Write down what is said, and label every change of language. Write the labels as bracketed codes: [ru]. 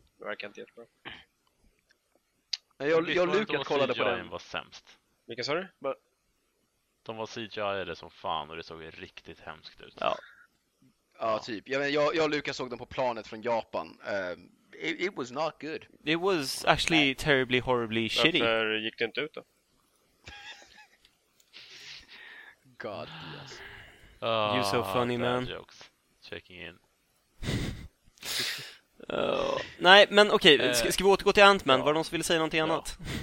[sv] Det verkar inte jättebra. Jag Lukas kollade på den. CGI var sämst. Vilka sa du? De var CGI eller som fan och det såg riktigt hemskt ut. Ja. Ja, typ. Jag Lukas såg den på planet från Japan. [en] It was not good. It was actually terribly, horribly shitty. [sv] Varför gick det inte ut då? [en] God, yes. You're so funny, man. Jokes. Checking in. [sv] Nej, men okej. Okay. Ska vi återgå till Ant-Man? Ja. Var det någon som ville säga någonting annat?